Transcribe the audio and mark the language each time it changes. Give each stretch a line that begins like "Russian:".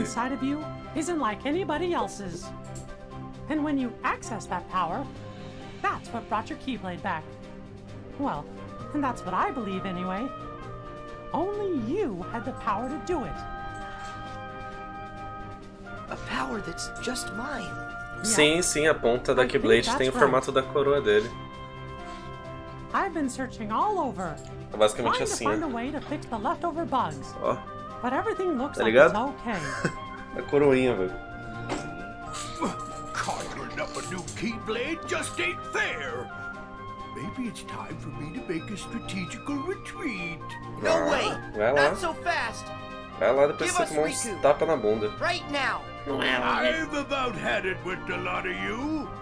English: inside of you isn't like anybody else's. And when you access that power, that's what brought your Keyblade back. Well, and that's what I believe anyway. Only you had the power to do it. A power that's just mine.
Portuguese: Sim, sim, a ponta da Keyblade tem o formato da coroa dele.
English: I've been searching all over.
Portuguese: É basicamente assim.
English: Find a way to fix the leftover bugs.
Portuguese: Ó.
English: But everything looks
Portuguese: tá ligado?
English: Like it's okay.
Portuguese: A coroinha, velho.
English: Conjuring up a new Keyblade just ain't fair. Maybe it's time for me to make a strategical retreat. No way.
Portuguese: Vai lá.
English: Not so fast.
Portuguese: Vai lá, depois você toma um tapa na bunda.
English: Right now. I've about had it with a lot of you.